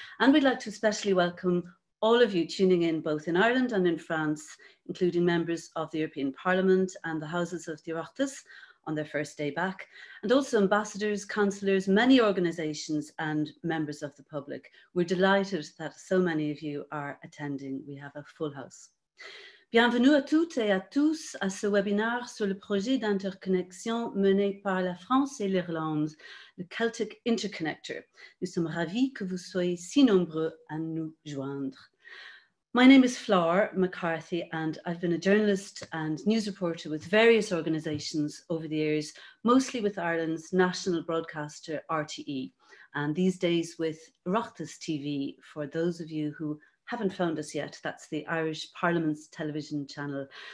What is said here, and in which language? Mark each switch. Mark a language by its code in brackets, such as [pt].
[en] And we'd like to especially welcome all of you tuning in both in Ireland and in France, including members of the European Parliament and the Houses of the Oireachtas on their first day back, and also ambassadors, councillors, many organisations and members of the public. We're delighted that so many of you are attending. We have a full house. [fr] Bienvenue à toutes et à tous à ce webinar sur le projet d'interconnexion mené par la France et l'Irlande, le Celtic Interconnector. Nous sommes ravis que vous soyez si nombreux à nous joindre. [en] My name is Flor, McCarthy, and I've been a journalist and news reporter with various organisations over the years, mostly with Ireland's national broadcaster, RTE, and these days with Oireachtas TV. For those of you who haven't found us yet, that's the Irish Parliament's television channel.